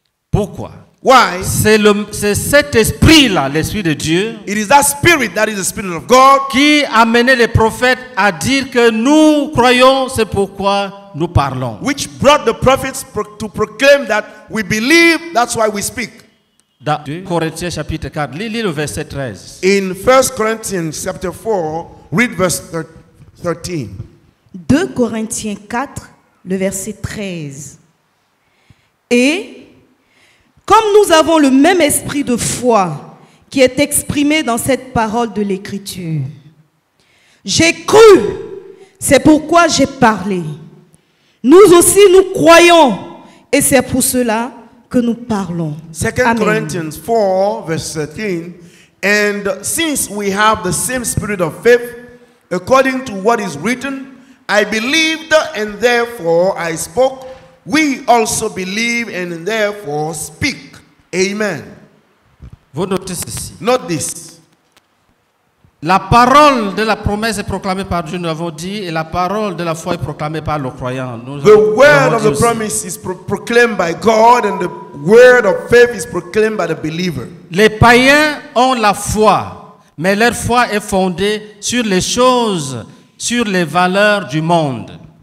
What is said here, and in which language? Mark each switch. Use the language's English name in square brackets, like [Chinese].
[French] Pourquoi? [English] Why? [French] C'est cet esprit-là, l'esprit de Dieu. [English] It is that spirit that is the spirit of God [French] qui amenait les prophètes à dire que nous croyons, c'est pourquoi nous parlons. [English] Which brought the prophets to proclaim that we believe, that's why we speak. [French] Dans 2 Corinthiens chapitre 4, lis le verset 13. [English] In 1 Corinthians chapter 4, read verse 13. [French] 2 Corinthiens 4, le verset 13. Et comme nous avons le même esprit de foi qui est exprimé dans cette parole de l'Écriture. J'ai cru, c'est pourquoi j'ai parlé. Nous aussi, nous croyons et c'est pour cela que nous parlons. [English] 2 Corinthians 4, verse 13. And since we have the same spirit of faith, according to what is written, I believed and therefore I spoke. We also believe and therefore speak. Amen. [French] Vous notez ceci. [English] Note this. [French] La parole de la promesse est proclamée par Dieu, nous avons dit, et la parole de la foi est proclamée par le croyant. [English] The word of the promise is proclaimed by God and the word of faith is proclaimed by the believer. [French] Les païens ont la foi, mais leur foi est fondée sur les choses, sur les valeurs du monde.